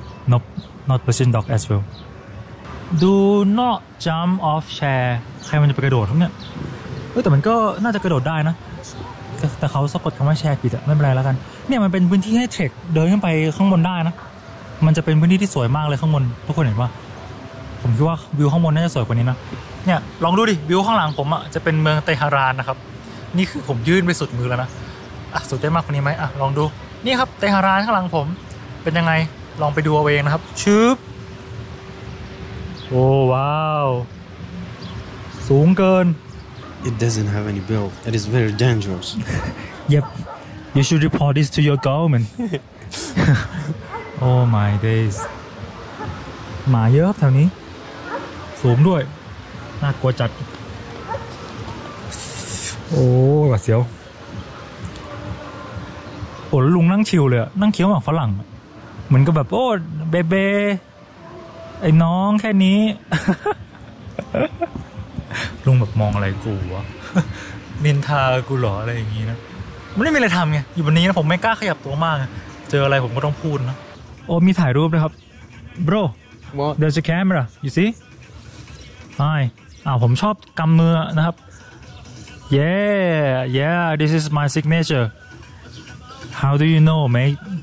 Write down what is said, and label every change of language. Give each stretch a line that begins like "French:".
English: Nope, not Persian dog as well. Do not jump off chair.
Thai: ใครมันจะไปกระโดดครับเนี่ยเออแต่มันก็น่าจะกระโดดได้นะแต่เขาสะกดคำว่าแชร์ผิดอะไม่เป็นไรแล้วกันเนี่ยมันเป็นพื้นที่ให้เทรคเดินขึ้นไปข้างบนได้นะมันจะเป็นพื้นที่ที่สวยมากเลยข้างบนทุกคนเห็นป่ะ ผมคิดว่าวิวข้างบนน่าจะสวยกว่านี้นะเนี่ยลองดูดิวิวข้างหลังผมอะจะเป็นเมืองเตหะรานนะครับนี่คือผมยื่นไปสุดมือแล้วนะอ่ะสุดได้มากกว่านี้ไหมอ่ะลองดูนี่ครับเตหะรานข้างหลังผมเป็นยังไงลองไปดูเอาเองนะครับชึบโอ้ว้าวสูงเกิน
English: it doesn't have any build it is very dangerous yep you should report this to your government oh my days
Thai: หมาเยอะครับแถวนี้สูงด้วยน่ากลัวจัดโอ้หวาดเสียวโอ้ลุงนั่งชิวเลยนั่งเคี้ยวหมากฝรั่งเหมือนกับแบบโอ้เบเบไอ้น้องแค่นี้ ลุงแบบมองอะไรกูวะนินทากูหรออะไรอย่างงี้นะไม่ได้มีอะไรทำไงอยู่บนนี้นะผมไม่กล้าขยับตัวมากเจออะไรผมก็ต้องพูดนะโอ้มีถ่ายรูปนะครับ bro
English: what there's a camera you see hi
Thai: ผมชอบกำมือนะครับ
English: yeah this is my signatureHow do you know, mate?